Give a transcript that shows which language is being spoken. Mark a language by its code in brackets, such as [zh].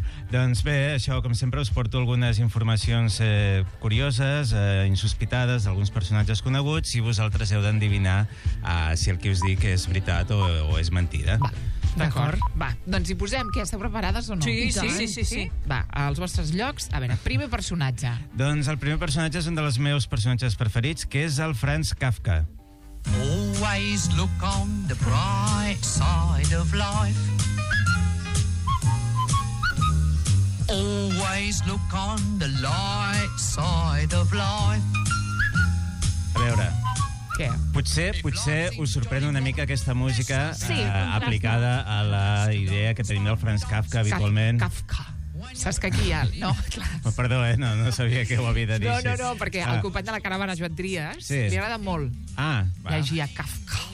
[ca] Doncs bé, això, com sempre, us porto algunes informacions curioses, insospitades, d'alguns personatges coneguts, i vosaltres heu d'endevinar si el que us dic és veritat o és mentida. D'acord. Va, doncs hi posem, que esteu preparades o no? Sí, sí, sí, sí, sí, sí. Va, als vostres llocs. A veure, primer personatge. Doncs el primer personatge és un dels meus personatges preferits, que és el Franz Kafka. [en] Always look on the bright side of life. Always look on the light side of life. [ca] A veure... Què? Potser us sorprèn una mica aquesta música, sí, aplicada a la idea que tenim del Franz Kafka habitualment. Kafka. Saps que aquí hi ha... No, clar. Perdó, no sabia que ho havia de dir. No, perquè al company de la caravana, Joan Trias, sí, li agrada molt llegir a Kafka.